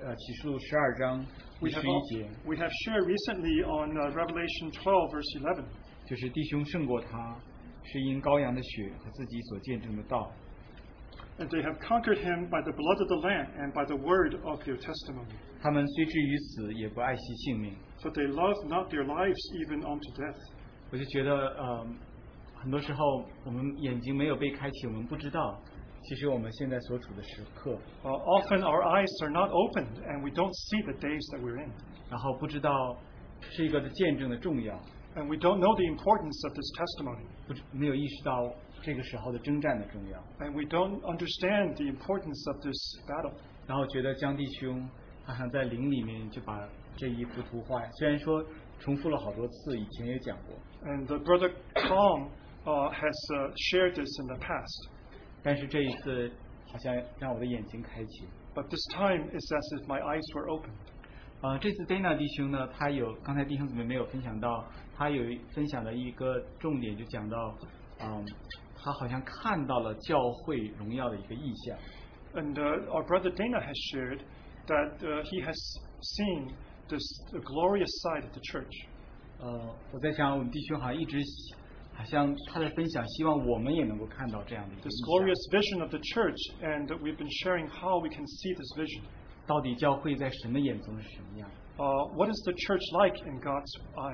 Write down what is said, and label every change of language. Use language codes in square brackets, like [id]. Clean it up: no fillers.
[zh] 我们前一段一直所分享的信息就是启示录12章11节。 [en] We have shared recently on Revelation 12 verse 11. [zh] 就是弟兄胜过他，是因羔羊的血和自己所见证的道。 [en] And they have conquered him by the blood of the Lamb and by the word of their testimony. [zh] 他们虽至于死也不爱惜性命。 [en] But they love not their lives even unto death. [zh] 我就觉得, 很多时候我们眼睛没有被开启, 我们不知道, 其实我们现在所处的时刻。 [en] Often our eyes are not opened and we don't see the days that we're in. [zh] 然后不知道是一个见证的重要。 [en] And we don't know the importance of this testimony. [zh] 没有意识到。这个时候的征战的重要, [en] and we don't understand the importance of this battle. [zh] 然后觉得江弟兄, 他好像在灵里面就把这一幅图画, 虽然说重复了好多次, 以前也讲过, [en] and the brother Kong has shared this in the past. [zh] 但是这一次好像让我的眼睛开启, [en] but this time it's as if my eyes were opened. [zh] 这次Dana弟兄呢, 他有, 刚才弟兄姊妹没有分享到, 他有分享的一个重点, 就讲到, 他好像看到了教会荣耀的一个意象。 [en] And our brother Dana has shared that he has seen the glorious side of the church. [zh] 我在想我们弟兄好像一直好像他的分享希望我们也能够看到这样的一个意象。 [en] This glorious vision of the church, and we've been sharing how we can see this vision. [zh] 到底教会在神的眼中是什么样？ [en] What is the church like in God's eyes?